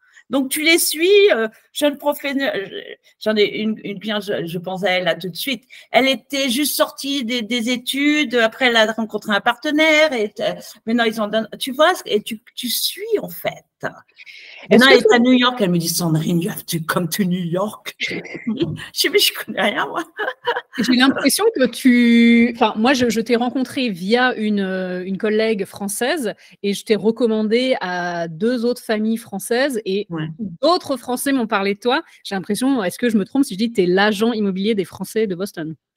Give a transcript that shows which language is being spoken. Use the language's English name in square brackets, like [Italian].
[French] Donc, tu les suis, jeune professionnel. J'en ai une cliente, je pense à elle là tout de suite. Elle était juste sortie des études. Après, elle a rencontré un partenaire. Maintenant, ils ont donné. Tu vois, et tu suis en fait. Maintenant, elle est à New York. Elle me dit, Sandrine, [English] you have to come to New York. [French] mais je connais rien, moi. J'ai l'impression que tu. Enfin, moi, je t'ai rencontrée via une collègue française et je t'ai recommandée à deux autres familles françaises et d'autres Français m'ont parlé de toi. J'ai l'impression, est-ce que je me trompe si je dis que tu es l'agent immobilier des Français de Boston?